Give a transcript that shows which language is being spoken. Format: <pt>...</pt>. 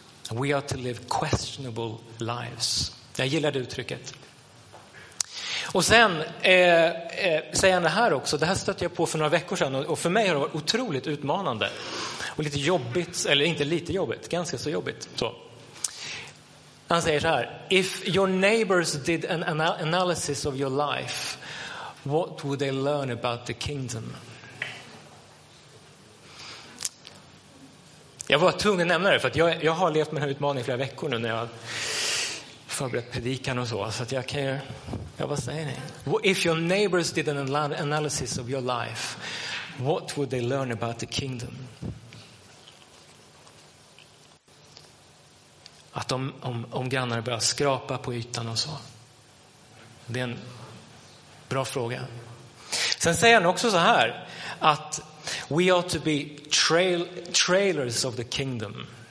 <en>We are to live questionable lives.</en> <sv>Jag gillar det uttrycket. Och sen säger han det här också. Det här stötte jag på för några veckor sedan. Och för mig har det varit otroligt utmanande. Och lite jobbigt. Eller inte lite jobbigt. Ganska så jobbigt. Så. Han säger så här.</sv> <en>If your neighbors did an analysis of your life, what would they learn about the kingdom?</en> <sv>Jag var tvungen att nämna det. För att jag har levt med den här utmaningen flera veckor nu. När jag förberett predikan och så. Så att jag kan ju... Ja, vad säger ni?</sv> <en>If your neighbors did an analysis of your life, what would they learn about the kingdom?</en> <sv>Att om grannar börjar skrapa på ytan och så. Det är en bra fråga. Sen säger han också så här att</sv> <en>we ought to be trailers of the kingdom.</en>